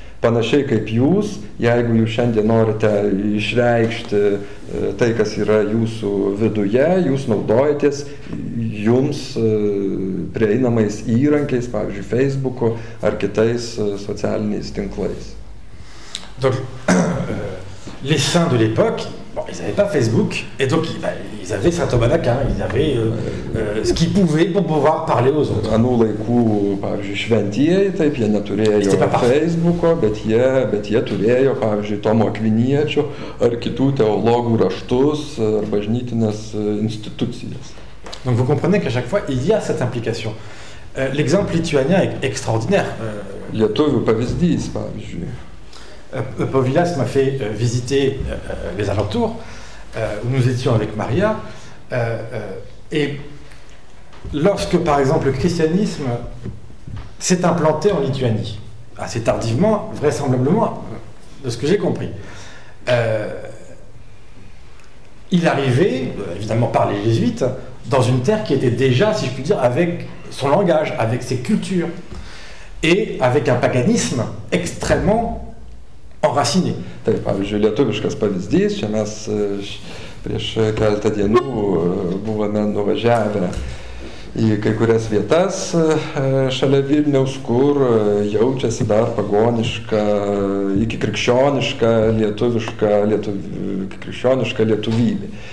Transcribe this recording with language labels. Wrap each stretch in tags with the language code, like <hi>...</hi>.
<lt>Panašiai kaip jūs, jeigu jūs šiandien norite išreikšti tai, kas yra jūsų viduje, jūs naudojatės jums prieinamais įrankiais, pavyzdžiui, Facebook'o ar kitais socialiniais tinklais.</lt> <fr>Donc, les saints de l'époque, ils n'avaient pas Facebook, et donc ils avaient Saint Thomas d'Aquin, ils avaient ce qu'ils pouvaient pour pouvoir parler aux autres. À nos laïcs, par exemple,</fr> <lt>Schwentier, taip, jie neturėjo Facebook'o, bet jie turėjo, pavyzdžiui, Tomo Akviniečio ar kitų teologų raštus ar bažnytinės institucijas.</lt> <fr>Donc vous comprenez qu'à chaque fois, il y a cette implication. L'exemple lituanien est extraordinaire.</fr> <lt>Lietuvių pavyzdys, pavyzdžiui.</lt> <fr>Povilas m'a fait visiter les alentours où nous étions avec Maria et lorsque par exemple le christianisme s'est implanté en Lituanie assez tardivement, vraisemblablement de ce que j'ai compris il arrivait, évidemment par les jésuites, dans une terre qui était déjà, si je puis dire, avec son langage, avec ses cultures et avec un paganisme extrêmement enraciné.</fr> <lt>Taip, pavyzdžiui, lietuviškas pavyzdys, čia mes prieš keletą dienų buvome nuvažiavę į kai kurias vietas šalia Vilniaus, kur jaučiasi dar pagoniška, iki krikščioniška, lietuviška, krikščioniška lietuvybė.</lt>